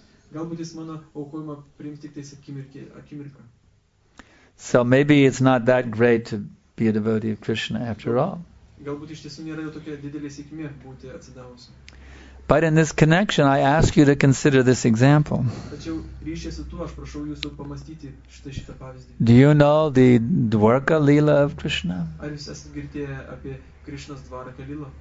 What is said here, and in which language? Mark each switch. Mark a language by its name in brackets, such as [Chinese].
[Lithuanian] Galbūt jis mano aukojimą priims tik tais akimirką. [English] So maybe it's not that great to be a devotee of Krishna after all. [Lithuanian] Galbūt iš tiesų nėra jau tokia didelė sėkmė būti atsidavusiu. [English] But in this connection, I ask you to consider this example. [Lithuanian] Tačiau ryšiai su tuo, aš prašau jūsų pamastyti šitą pavyzdį. [English] Do you know the Dvarka Lila of Krishna? [Lithuanian] Ar jūs esat girdėję apie Krishnas Dvarka Lila?